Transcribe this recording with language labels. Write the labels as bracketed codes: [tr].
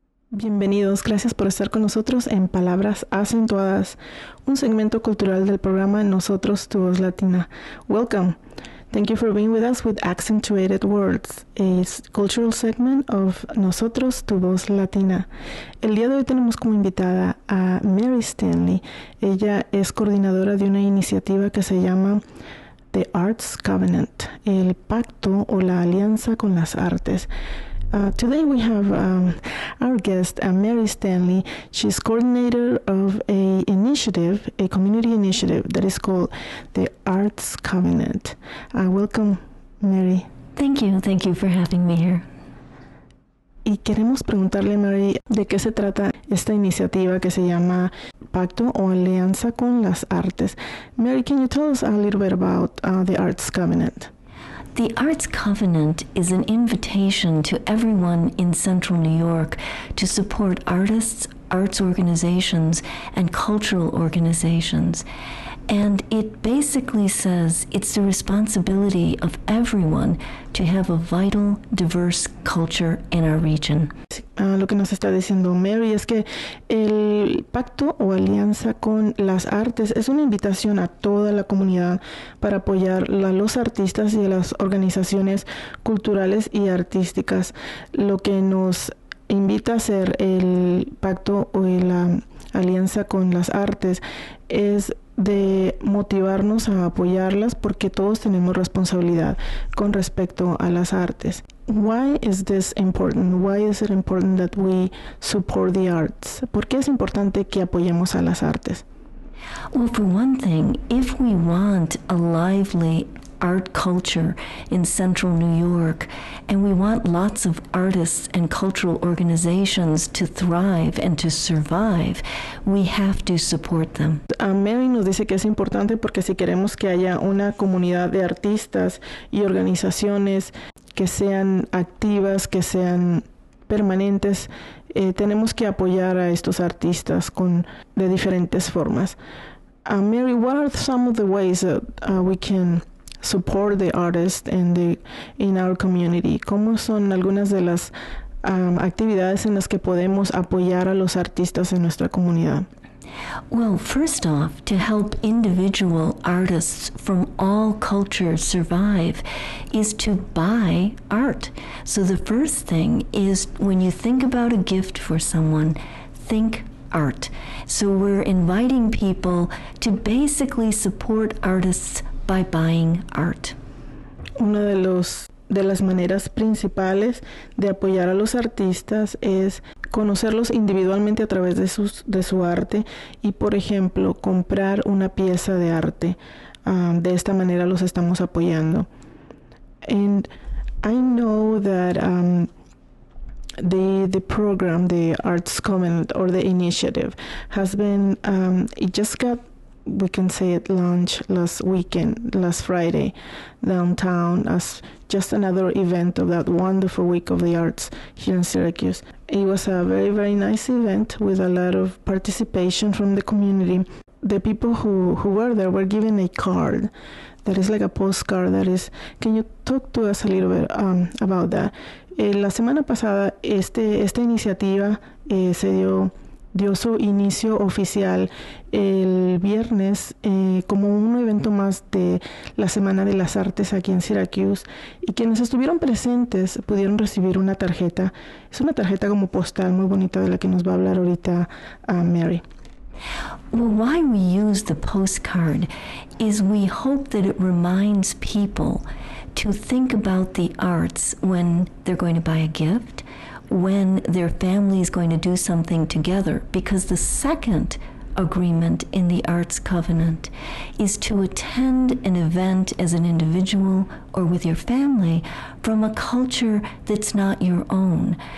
[es] Bienvenidos, gracias por estar con nosotros en Palabras Acentuadas, un segmento cultural del programa Nosotros, tu voz latina. [en] Welcome. Thank you for being with us with Accentuated Words, a cultural segment of Nosotros, tu voz latina. [es] El día de hoy tenemos como invitada a Mary Stanley. Ella es coordinadora de una iniciativa que se llama The Arts Covenant, el pacto o la alianza con las artes. [en] Today we have our guest, Mary Stanley. She's coordinator of a community initiative that is called the Arts Covenant. Welcome, Mary. Thank you. Thank you for having me here. [es] Y queremos preguntarle, Mary, ¿de qué se trata esta iniciativa que se llama Pacto o Alianza con las Artes? [en] Mary, can you tell us a little bit about the Arts Covenant? The Arts Covenant is an invitation to everyone in Central New York to support artists, arts organizations, and cultural organizations. And it basically says it's the responsibility of everyone to have a vital, diverse culture in our region. [es] Lo que nos está diciendo Mary es que el pacto o alianza con las artes es una invitación a toda la comunidad para apoyar a los artistas y a las organizaciones culturales y artísticas. Lo que nos invita a hacer el pacto o la alianza con las artes es de motivarnos a apoyarlas porque todos tenemos responsabilidad con respecto a las artes. [en] Why is this important? Why is it important that we support the arts? [es] ¿Por qué es importante que apoyemos a las artes? [en] Well, for one thing, if we want a lively art culture in Central New York, and we want lots of artists and cultural organizations to thrive and to survive, we have to support them. [es] Mary nos dice que es importante porque si queremos que haya una comunidad de artistas y organizaciones que sean activas, que sean permanentes, tenemos que apoyar a estos artistas de diferentes formas. [en] Mary, what are some of the ways that we can support the artists in our community? [es] ¿Cómo son algunas de las actividades en las que podemos apoyar a los artistas en nuestra comunidad? [en] Well, first off, to help individual artists from all cultures survive is to buy art. So the first thing is when you think about a gift for someone, think art. So we're inviting people to basically support artists by buying art. [es] Una de las maneras principales de apoyar a los artistas es conocerlos individualmente a través de su arte y, por ejemplo, comprar una pieza de arte. De esta manera los estamos apoyando. [en] And I know that the program, the Arts Covenant or the initiative, has been it just got, we can say it, launched last weekend, last Friday, downtown, as just another event of that wonderful week of the arts here in Syracuse. It was a very, very nice event with a lot of participation from the community. The people who were there were given a card that is like a postcard. That is, can you talk to us a little bit about that? [es] La semana pasada, esta iniciativa dio su inicio oficial el viernes como un evento más de la Semana de las Artes aquí en Syracuse, y quienes estuvieron presentes pudieron recibir una tarjeta. Es una tarjeta como postal muy bonita de la que nos va a hablar ahorita Mary. [en] Well, why we use the postcard is we hope that it reminds people to think about the arts when they're going to buy a gift, when their family is going to do something together, because the second agreement in the Arts Covenant is to attend an event as an individual or with your family from a culture that's not your own.